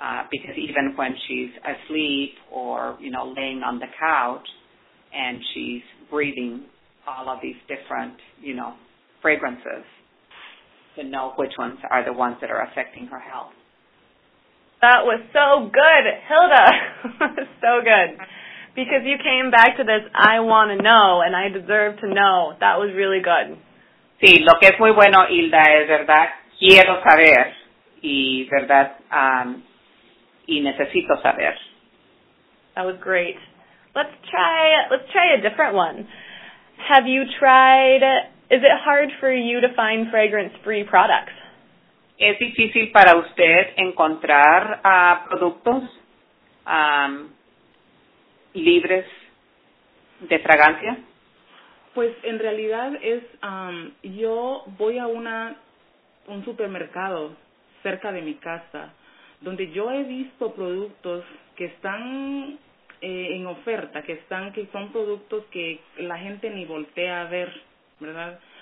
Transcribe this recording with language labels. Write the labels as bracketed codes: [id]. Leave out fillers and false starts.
[en] Because even when she's asleep or, laying on the couch and she's breathing all of these different, fragrances, to know which ones are the ones that are affecting her health. That was so good, Hilda. So good. Because you came back to this, I want to know and I deserve to know. That was really good. [es] Sí, lo que es muy bueno, Hilda, es verdad, quiero saber y verdad, y necesito saber. [en] That was great. Let's try a different one. Have you tried, is it hard for you to find fragrance-free products? [es] ¿Es difícil para usted encontrar productos libres de fragancia? Pues en realidad es, yo voy a un supermercado cerca de mi casa, donde yo he visto productos que están en oferta, que son productos que la gente ni voltea a ver, ¿verdad?